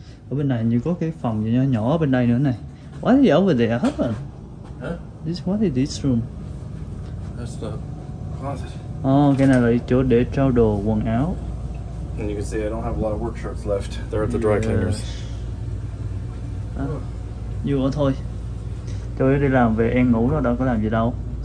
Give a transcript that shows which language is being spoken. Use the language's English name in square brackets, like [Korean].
[Vietnamese] Ở bên này như có cái phòng nhỏ nhỏ bên đây nữa này. [English] What is over there? Huh? This, what is this room? That's the closet. [Vietnamese] Oh, cái này là chỗ để trao đồ quần áo. [English] And you can see I don't have a lot of work shirts left. They're at the dry cleaners. [Vietnamese] Vô đó thôi. Trời ơi, đi làm về em ngủ rồi, đâu có làm gì đâu.